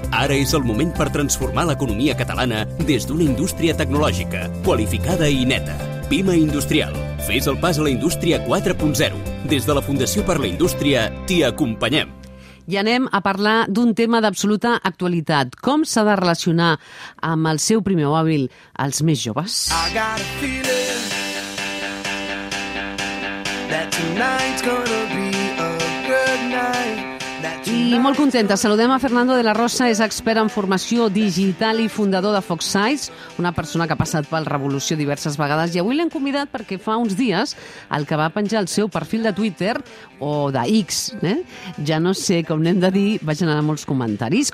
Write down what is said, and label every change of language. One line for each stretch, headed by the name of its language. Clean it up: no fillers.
Catalan: Ara és el moment per transformar l'economia catalana des d'una indústria tecnològica, qualificada i neta. Pima Industrial. Fes el pas a la indústria 4.0. Des de la Fundació per la Indústria, t'hi acompanyem. I anem a parlar d'un tema d'absoluta actualitat. Com s'ha de relacionar amb el seu primer mòbil els més joves?
English: I got a feeling that tonight's gonna be a good night.
Catalan: I molt contenta. Saludem a Fernando de la Rosa, és expert en formació digital i fundador de Foxsize, una persona que ha passat per la revolució diverses vegades. I avui l'hem convidat perquè fa uns dies el que va penjar el seu perfil de Twitter o d'X, eh? Ja no sé com n'hem de dir, va generar molts comentaris.